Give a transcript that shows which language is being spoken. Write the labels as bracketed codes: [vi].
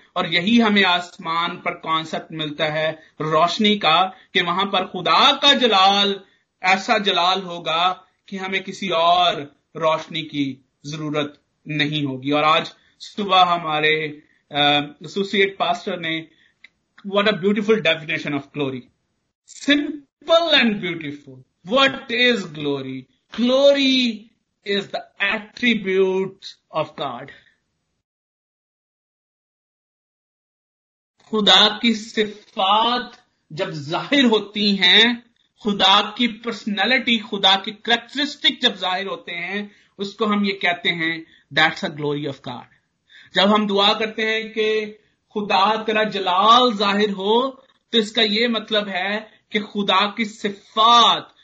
[ur] اور یہی ہمیں آسمان پر کانسیپٹ ملتا ہے روشنی کا, کہ وہاں پر خدا کا جلال ایسا جلال ہوگا کہ ہمیں کسی اور روشنی کی ضرورت نہیں ہوگی. اور آج صبح ہمارے ایسوسیٹ پاسٹر نے [en] What a beautiful definition of glory, simple and beautiful. What is glory? Glory is the attribute of God. [ur] خدا کی صفات جب ظاہر ہوتی ہیں, خدا کی پرسنالٹی, خدا کی کریکٹرسٹک جب ظاہر ہوتے ہیں, اس کو ہم یہ کہتے ہیں [en] that's a glory of God. [ur] جب ہم دعا کرتے ہیں کہ خدا تیرا جلال ظاہر ہو, تو اس کا یہ مطلب ہے کہ خدا کی صفات,